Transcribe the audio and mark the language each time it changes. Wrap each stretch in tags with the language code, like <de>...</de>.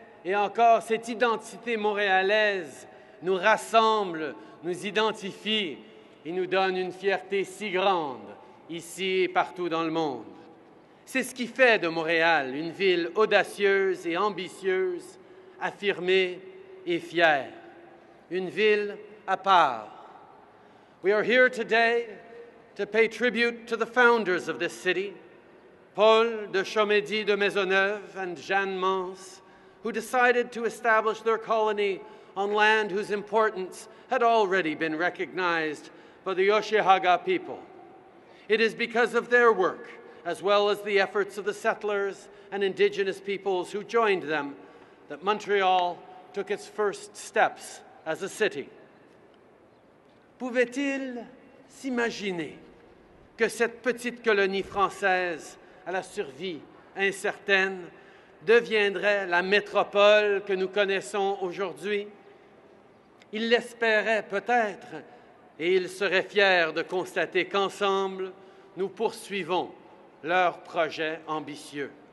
<fr>Et encore, cette identité montréalaise nous rassemble, nous identifie et nous donne une fierté si grande, ici et partout dans le monde. C'est ce qui fait de Montréal une ville audacieuse et ambitieuse, affirmée et fière. Une ville à part.</fr> <en>We are here today to pay tribute to the founders of this city, Paul de Chomedy de Maisonneuve and Jeanne Mance, who decided to establish their colony on land whose importance had already been recognized by the Oshawaga people. It is because of their work, as well as the efforts of the settlers and Indigenous peoples who joined them, that Montreal took its first steps as a city.</en> <fr>Pouvait-il s'imaginer que cette petite colonie française à la survie incertaine deviendrait la métropole que nous connaissons aujourd'hui? Il l'espérait peut-être, et il serait fier de constater qu'ensemble, nous poursuivons leur projet ambitieux.</fr>